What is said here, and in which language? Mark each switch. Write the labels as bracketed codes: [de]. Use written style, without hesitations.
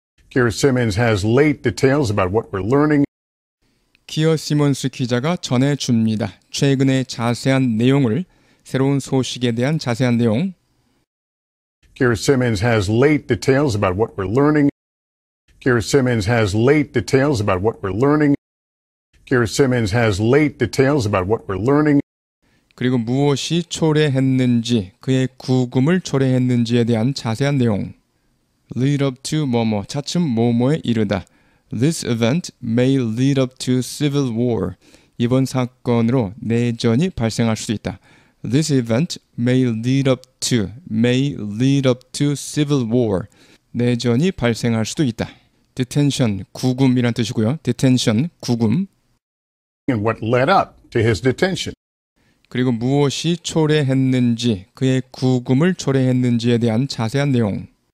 [en] Keir Simmons has late details about what we're learning. [ko] 기어 시몬스 기자가 전해줍니다. 최근의 자세한 내용을, 새로운 소식에 대한 자세한 내용. [en] Keir Simmons has late details about what we're learning. Keir Simmons has late details about what we're learning. Keir Simmons has late details about what we're learning. [ko] 그리고 무엇이 초래했는지, 그의 구금을 초래했는지에 대한 자세한 내용. Lead up to 뭐뭐, 차츰 뭐뭐에 이르다. [en] This event may lead up to civil war. [ko] 이번 사건으로 내전이 발생할 수도 있다. [en] This event may lead up to civil war. [ko] 내전이 발생할 수도 있다. Detention, 구금이란 뜻이고요. Detention, 구금. [en] And what led up to his detention. [ko] 그리고 무엇이 초래했는지, 그의 구금을 초래했는지에 대한 자세한 내용.